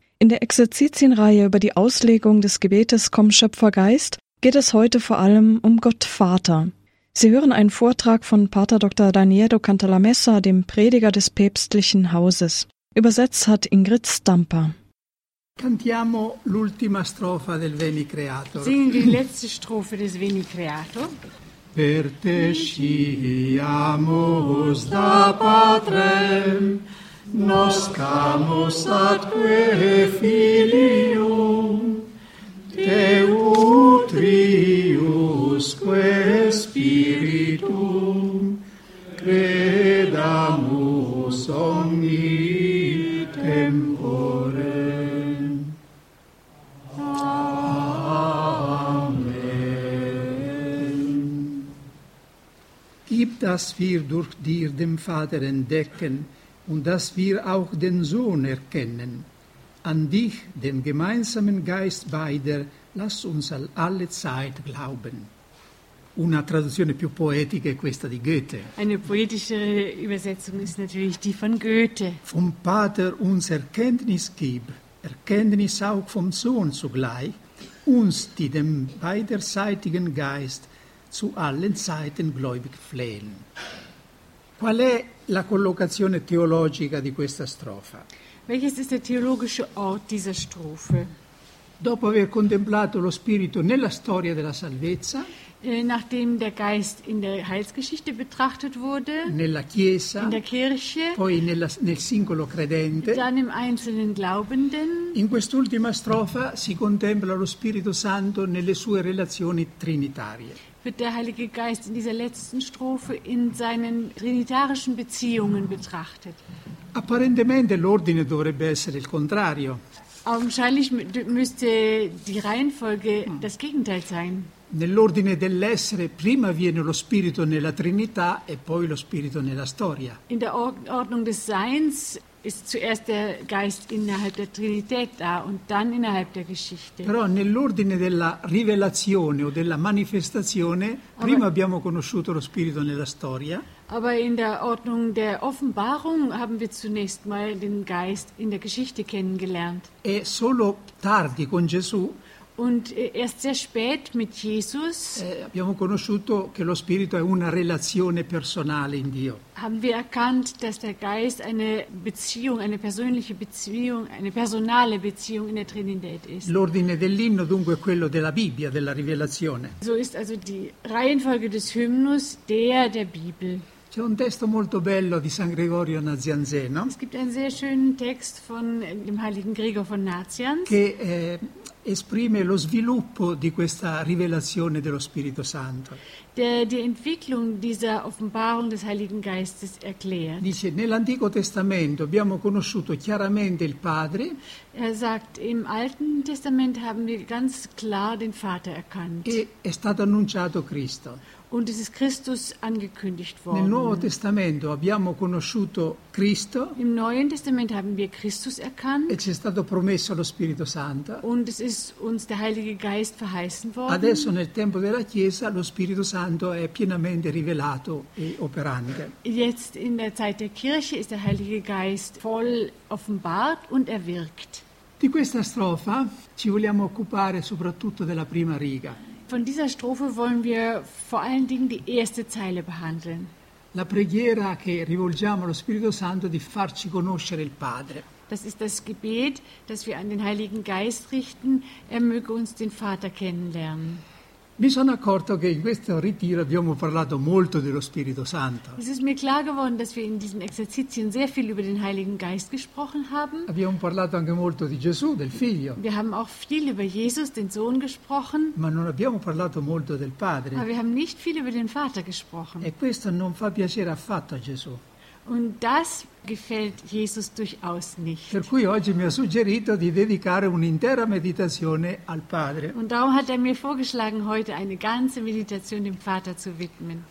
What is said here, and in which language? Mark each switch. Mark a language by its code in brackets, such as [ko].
[de] In der Exerzitienreihe über die Auslegung des Gebetes Komm Schöpfer Geist geht es heute vor allem um Gott Vater. Sie hören einen Vortrag von Pater Dr. Daniele Cantalamessa, dem Prediger des päpstlichen Hauses. Übersetzt hat Ingrid Stamper. [it] Cantiamo l'ultima strofa del Veni Creator. [de] Singen wir die letzte Strophe des Veni Creator. [la] Per te sciamus da Patrem, noscamus atque filium, te utriusque spiritum, credamus omni tempore. [de] Gib, dass wir durch dir den Vater entdecken und dass wir auch den Sohn erkennen. An dich, den gemeinsamen Geist beider, lass uns alle Zeit glauben. [it] Una traduzione più poetica è questa di Goethe. [de] Eine poetischere Übersetzung ist natürlich die von Goethe. Vom Vater uns Erkenntnis gib, Erkenntnis auch vom Sohn zugleich, uns, die dem beiderseitigen Geist zu allen Zeiten gläubig flehen. [it] Qual è la collocazione teologica di questa strofa? [de] Welches ist der theologische Ort dieser Strophe? [it] Dopo aver contemplato lo spirito nella storia della salvezza, [de] nachdem der Geist in der Heilsgeschichte betrachtet wurde, [it] nella Chiesa, [de] in der Kirche, [it] poi nel singolo credente, [de] dann im einzelnen Glaubenden, [it] in quest'ultima strofa si contempla lo Spirito Santo nelle sue relazioni trinitarie. [de] Wird der Heilige Geist in dieser letzten Strophe in seinen trinitarischen Beziehungen betrachtet. [it] Apparentemente l'ordine dovrebbe essere il contrario. [de] Augenscheinlich müsste die Reihenfolge das Gegenteil sein. [it] Nell'ordine dell'essere prima viene lo spirito nella Trinità e poi lo spirito nella storia. [de] In der Ordnung des Seins ist zuerst der Geist innerhalb der Trinität da und dann innerhalb der Geschichte. [it] Però nell'ordine della rivelazione o della manifestazione, prima abbiamo conosciuto lo spirito nella storia. [de] Aber in der Ordnung der Offenbarung haben wir zunächst mal den Geist in der Geschichte kennengelernt. [it] E solo tardi con Gesù. [de] Und erst sehr spät mit Jesus [it] abbiamo conosciuto che lo spirito è una relazione personale in Dio. [de] Haben wir erkannt, dass der Geist eine Beziehung, eine persönliche Beziehung, eine personale Beziehung in der Trinität ist. [it] L'ordine dell'inno dunque è quello della Bibbia, della rivelazione. [de] So ist also die Reihenfolge des Hymnus der Bibel. [it] C'è un testo molto bello di San Gregorio Nazianzeno. [de] Es gibt einen sehr schönen Text von dem heiligen Gregor von Nazianz. [it] Esprime lo sviluppo di questa rivelazione dello Spirito Santo. [de] Die Entwicklung dieser Offenbarung des Heiligen Geistes erklärt. [it] Dice, nell'Antico Testamento abbiamo conosciuto chiaramente il Padre. [de] Er sagt, im Alten Testament haben wir ganz klar den Vater erkannt. [it] E è stato annunciato Cristo. [de] Und es ist Christus angekündigt worden. [it] Nel Nuovo Testamento abbiamo conosciuto Cristo. [de] Im Neuen Testament haben wir Christus erkannt. [it] E ci è stato promesso lo Spirito Santo. [de] Und es ist uns der Heilige Geist verheißen worden. [it] Adesso nel tempo della Chiesa lo Spirito Santo è pienamente rivelato e operante. [de] Jetzt in der Zeit der Kirche ist der Heilige Geist voll offenbart und er wirkt. [it] Di questa strofa ci vogliamo occupare soprattutto della prima riga. [de] Von dieser Strophe wollen wir vor allen Dingen die erste Zeile behandeln. [it] La preghiera che rivolgiamo allo Spirito Santo di farci conoscere il Padre. [de] Das ist das Gebet, das wir an den Heiligen Geist richten, er möge uns den Vater kennenlernen. [it] Mi sono accorto che in questo ritiro abbiamo parlato molto dello Spirito Santo. [de] Es ist mir klar geworden, dass wir in diesen Exerzitien sehr viel über den Heiligen Geist gesprochen haben. [it] Abbiamo parlato anche molto di Gesù, del Figlio. [de] Wir haben auch viel über Jesus, den Sohn, gesprochen. [it] Ma non abbiamo parlato molto del Padre. [de] Aber wir haben nicht viel über den Vater gesprochen. [it] E questo non fa piacere affatto a Gesù. [de] Und das gefällt Jesus durchaus nicht. [it] Per cui oggi mi ha suggerito di dedicare un'intera meditazione al Padre. [de] Und darum hat mir vorgeschlagen, heute eine ganze Meditation dem Vater zu widmen.